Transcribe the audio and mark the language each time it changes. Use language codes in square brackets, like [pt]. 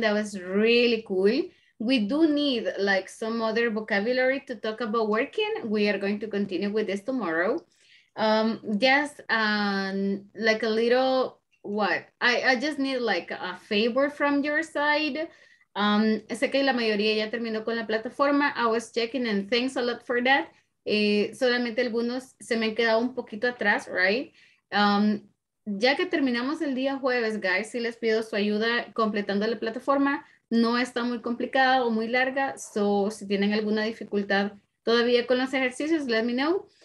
[en] That was really cool. We do need like some other vocabulary to talk about working. We are going to continue with this tomorrow. Just like a little, what? I just need like a favor from your side. [es] Sé que la mayoría ya terminó con la plataforma. [en] I was checking and thanks a lot for that. [es] Solamente algunos se me han quedado un poquito atrás, right? Ya que terminamos el día jueves, guys, sí les pido su ayuda completando la plataforma. No está muy complicada o muy larga, so si tienen alguna dificultad todavía con los ejercicios, [en] let me know.